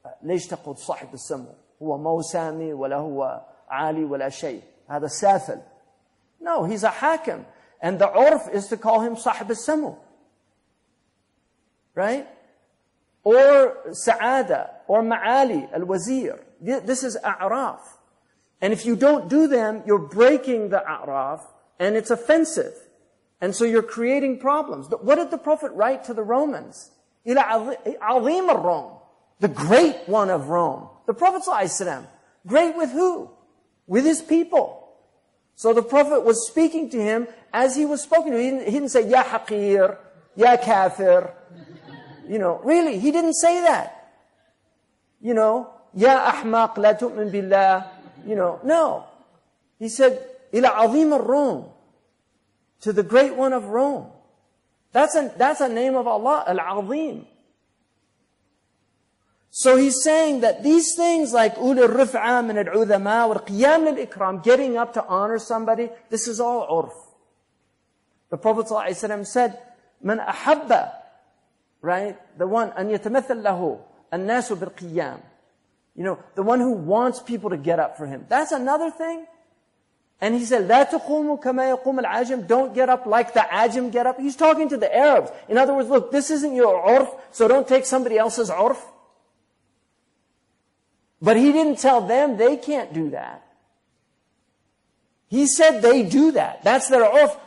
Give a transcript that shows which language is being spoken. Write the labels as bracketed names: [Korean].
[Arabic] ليش تقول صاحب السمو؟ هو مو سامي ولا هو عالي ولا شيء. هذا سافل. [English] No, he's a hakim. And the urf is to call him [Arabic] صاحب السمو. [English] Right? [Arabic] Or سعادة or معالي الوزير. [English] This is أعراف. And if you don't do them, you're breaking the أعراف and it's offensive. And so you're creating problems. But what did the Prophet write to the Romans? [Arabic] إلى عظيم الروم. [English] The great one of Rome. The Prophet ﷺ. Great with who? With his people. So the Prophet was speaking to him as he was spoken to. He didn't say, [Arabic] يا حقير, يا كافر. [English] You know, really, he didn't say that. You know, [Arabic] يا أحمق, لا تؤمن بالله. [English] You know, no. He said, [Arabic] إلى عظيم الروم. [English] To the great one of Rome. That's a name of Allah, Al-Azim. So he's saying that these things like Ulu Rif'a min al-Udhama wa al-Qiyam al-Ikram, getting up to honor somebody, this is all urf. The Prophet ﷺ said, [Arabic] من أحب, [English] right? The one, [Arabic] أن يتمثل له الناس بالقيام. [English] You know, the one who wants people to get up for him. That's another thing. And he said, [Arabic] لا تقوموا كما يقوم العاجم. [English] Don't get up like the عاجم get up. He's talking to the Arabs. In other words, look, this isn't your عرف, so don't take somebody else's عرف. But he didn't tell them they can't do that. He said they do that. That's their عرف.